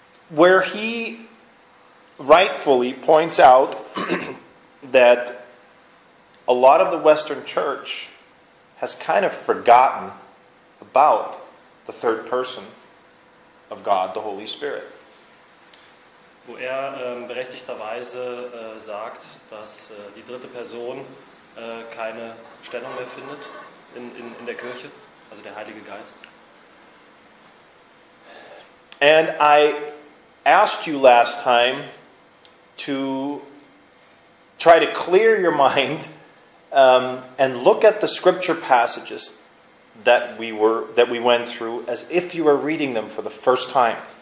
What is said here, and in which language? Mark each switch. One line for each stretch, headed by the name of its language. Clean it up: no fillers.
English: Where he rightfully points out that a lot of the Western church has kind of forgotten about the third person of God, the Holy Spirit.
German: Wo er berechtigterweise sagt, dass die dritte Person keine Stellung mehr findet in der Kirche, also der Heilige Geist.
English: And I asked you last time to try to clear your mind and look at the scripture passages that we went through as if you were reading them for the first time.